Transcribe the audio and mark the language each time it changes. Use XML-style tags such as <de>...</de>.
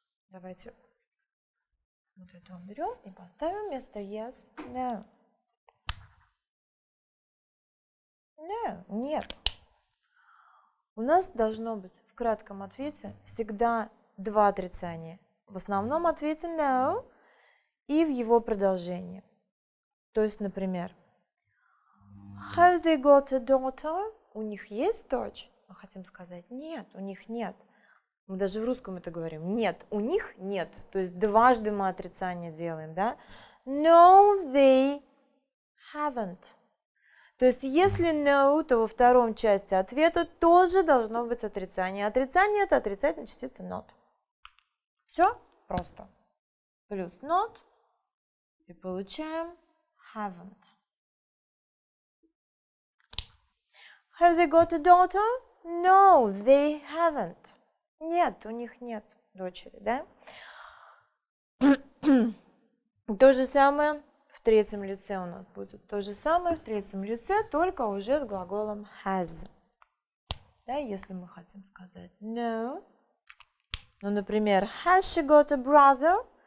<ru>Давайте вот это уберем и поставим вместо yes, no. No, нет. У нас должно быть в кратком ответе всегда два отрицания. В основном ответе no и в его продолжении. То есть, например,</ru> <en>have they got a daughter?</en> <ru>У них есть дочь? Мы хотим сказать нет, у них нет. Мы даже в русском это говорим. Нет, у них нет. То есть дважды мы отрицание делаем, да?</ru> <en>No, they haven't.</en> <ru>То есть, если no, то во втором части ответа тоже должно быть отрицание. Отрицание – это отрицательная частица not. Все просто. Плюс not, И получаем haven't.</ru> <en>Have they got a daughter? No, they haven't.</en> <ru>Нет, у них нет дочери, да? То же самое в третьем лице у нас будет. То же самое в третьем лице, только уже с глаголом has. Да, если мы хотим сказать no. Ну, например,</ru> <en>has she got a brother?</en>